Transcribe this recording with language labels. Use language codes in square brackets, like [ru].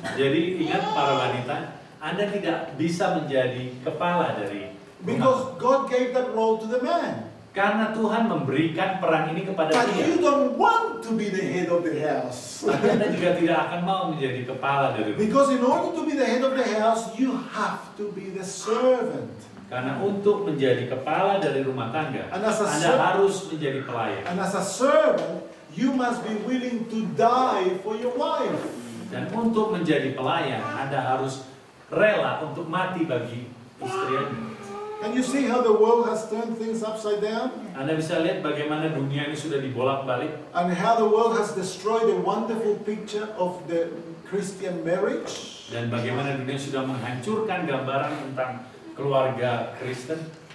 [id] Jadi ingat para wanita, Anda tidak bisa menjadi kepala dari rumah. [en] Because God gave that role to the man. [id] Karena Tuhan memberikan peran ini kepada dia. [en] But you don't want to be the head of the house. [id] Anda juga tidak akan mau menjadi kepala dari rumah. [en] Because in order to be the head of the house, you have to be the servant. [id] Karena untuk menjadi kepala dari rumah tangga, Anda harus menjadi pelayan. [en] And as a servant, you must be willing to die for your wife. [id] Dan untuk menjadi pelayan, Anda harus rela untuk mati bagi istri Anda. [en] Can you see how the world has turned things upside down? [id] Anda bisa lihat bagaimana dunia ini sudah dibolak-balik. [en] And how the world has destroyed the wonderful picture of the Christian marriage. [id] Dan bagaimana dunia sudah menghancurkan gambaran tentang keluarga Kristen.